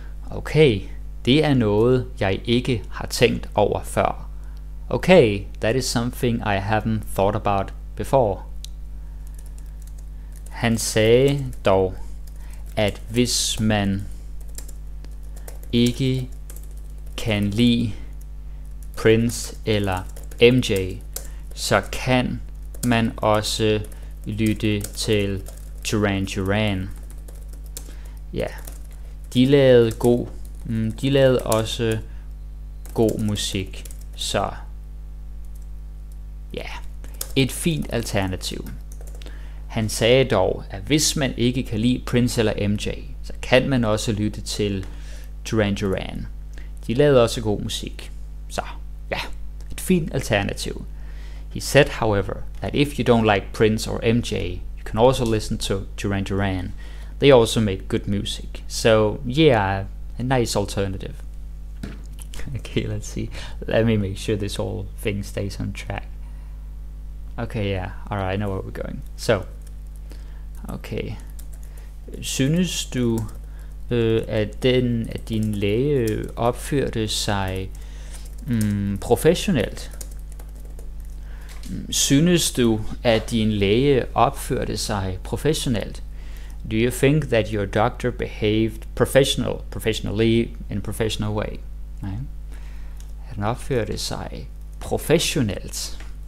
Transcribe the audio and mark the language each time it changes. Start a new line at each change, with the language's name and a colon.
Danish: Okay, det er noget jeg ikke har tænkt over før.
English: Okay, that is something I haven't thought about before.
Danish: Han sagde dog, at hvis man ikke kan lide Prince eller MJ, så kan man også lytte til Duran Duran. Ja, de lavede god De lavede også god musik, så ja, et fint alternativ. Han sagde dog, at hvis man ikke kan lide Prince eller MJ, så kan man også lytte til Duran Duran. De lavede også god musik, så ja, et fint alternativ.
English: He said, however, that if you don't like Prince or MJ, you can also listen to Duran Duran. They also make good music. So, yeah, a nice alternative. Okay, let's see. Let me make sure this whole thing stays on track. Okay, yeah. Alright, I know where we're going. So, okay.
Danish: Synes du, at din læge opførte sig professionelt? Synes du, at din læge opførte sig professionelt?
English: Do you think that your doctor behaved professionally in a professional way?
Danish: Nej. Han opførte sig professionelt.